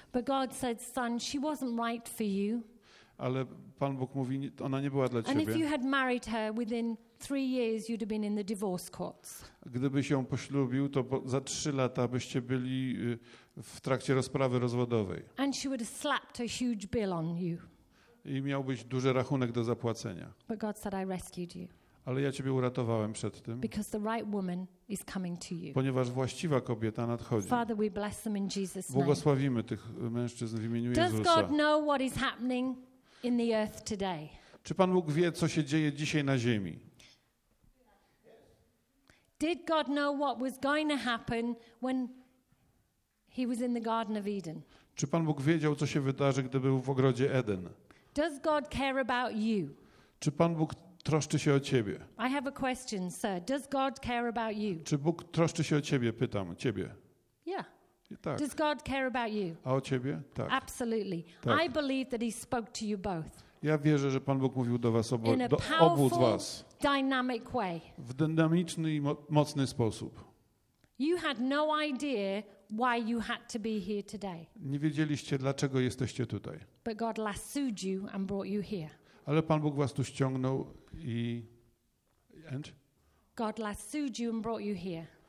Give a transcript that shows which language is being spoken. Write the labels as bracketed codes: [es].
[en] But God said, son, she wasn't right for you. [pl] Ale Pan Bóg mówi, ona nie była dla ciebie. [en] And if you had married her within 3 years, you'd have been in the divorce courts. [pl] Gdybyś ją poślubił, to za 3 lata byście byli w trakcie rozprawy rozwodowej. [en] And she would have slapped a huge bill on you. [pl] I miałbyś duży rachunek do zapłacenia. [en] But God said, I rescued you. [pl] Ale ja ciebie uratowałem przed tym. [en] Because the right woman is coming to you. [pl] Ponieważ właściwa kobieta nadchodzi. [en] Father, we bless them in Jesus' name. [pl] Błogosławimy tych mężczyzn w imieniu [en] Does [pl] Jezusa. [en] Does God know what is happening in the earth today? [pl] Czy Pan Bóg wie, co się dzieje dzisiaj na ziemi? [en] Did God know what was going to happen when he was in the Garden of Eden? [pl] Czy Pan Bóg wiedział, co się wydarzy, gdy był w ogrodzie Eden? [en] Does God care about you? [pl] Czy Pan Bóg troszczy się o ciebie? [en] I have a question, sir. Does God care about you? [pl] Czy Bóg troszczy się o ciebie? Pytam ciebie. [en] Yeah. [pl] Tak. [en] Does God care about you? [pl] A o ciebie? Tak. [en] Absolutely. [pl] Tak. [en] I believe that he spoke to you both. [pl] Ja wierzę, że Pan Bóg mówił do was obu z was. [en] Dynamic way. [pl] W dynamiczny i mocny sposób. [en] You had no idea why you had to be here today. [pl] Nie wiedzieliście, dlaczego jesteście tutaj. [en] But God lassoed you and brought you here. [pl] Ale Pan Bóg was tu ściągnął i [en] and? God lassoed you and brought you here.